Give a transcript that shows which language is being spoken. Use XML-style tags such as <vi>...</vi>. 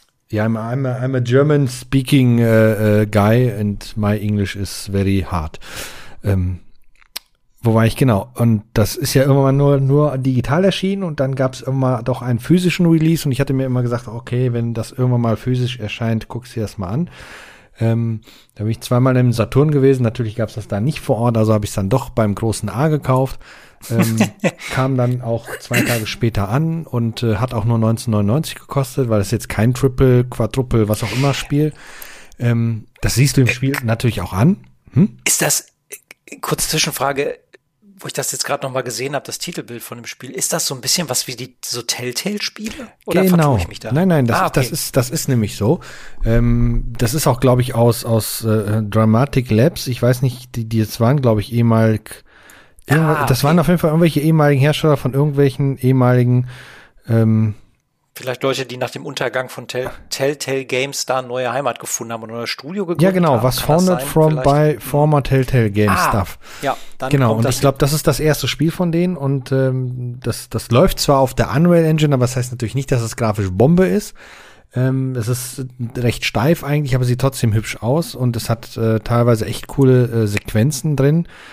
<en>Ja, I'm a German speaking guy and my English is very hard.</en> <de>Wo war ich genau? Und das ist ja irgendwann nur digital erschienen und dann gab es immer doch einen physischen Release und ich hatte mir immer gesagt, okay, wenn das irgendwann mal physisch erscheint, guckst du dir das mal an. Da bin ich zweimal im Saturn gewesen, natürlich gab es das da nicht vor Ort, also habe ich es dann doch beim großen A gekauft. kam dann auch zwei Tage später an und hat auch nur 19,99 gekostet, weil es jetzt kein Triple, Quadruple, was auch immer Spiel. Das siehst du im Spiel natürlich auch an. Hm? Ist das, kurze Zwischenfrage, wo ich das jetzt gerade noch mal gesehen habe, das Titelbild von dem Spiel, ist das so ein bisschen was wie die so Telltale-Spiele? Oder genau. Vertue ich mich da? Nein, das, okay. das ist nämlich so. Das ist auch, glaube ich, aus Dramatic Labs. Ich weiß nicht, die jetzt waren, glaube ich, ehemalig. Das waren auf jeden Fall irgendwelche ehemaligen Hersteller von irgendwelchen ehemaligen Vielleicht Leute, die nach dem Untergang von Telltale Games da eine neue Heimat gefunden haben und ein neues Studio gegründet haben. Ja, genau,</de> <en>was founded from by former Telltale Games Stuff.</en> <de>Ja, dann genau, und ich glaube, das ist das erste Spiel von denen und das läuft zwar auf der Unreal Engine, aber das heißt natürlich nicht, dass es grafisch Bombe ist. Es ist recht steif eigentlich, aber sieht trotzdem hübsch aus und es hat teilweise echt coole Sequenzen drin.</de>